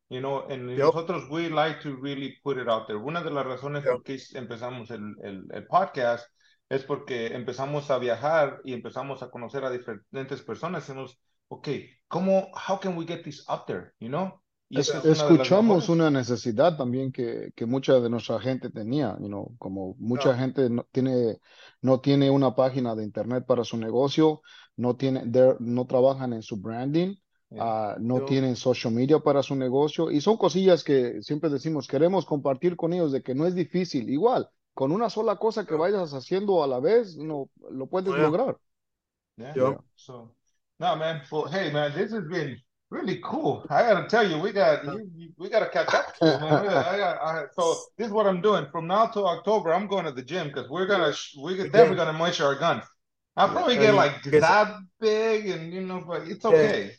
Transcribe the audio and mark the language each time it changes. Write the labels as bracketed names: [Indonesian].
[English] You know, [Spanish] nosotros, [English] we like to really put it out there. [Spanish] Una de las razones por qué empezamos el podcast es porque empezamos a viajar y empezamos a conocer a diferentes personas. Hacemos, [English] okay, how can we get this up there, you know? [Spanish] Escuchamos una necesidad también que mucha de nuestra gente tenía, [English] you know, [Spanish] como mucha gente no tiene una página de internet para su negocio, no trabajan en su branding, no tienen social media para su negocio, y son cosillas que siempre decimos, queremos compartir con ellos de que no es difícil, igual. Con una sola cosa que vayas haciendo a la vez, no lo puedes lograr. [English] So, no, man. Well, hey, man, this has been really cool. I gotta tell you, we gotta catch up. So this is what I'm doing from now till October. I'm going to the gym because we're gonna measure our guns. I'll probably get like that big, and you know, but it's okay.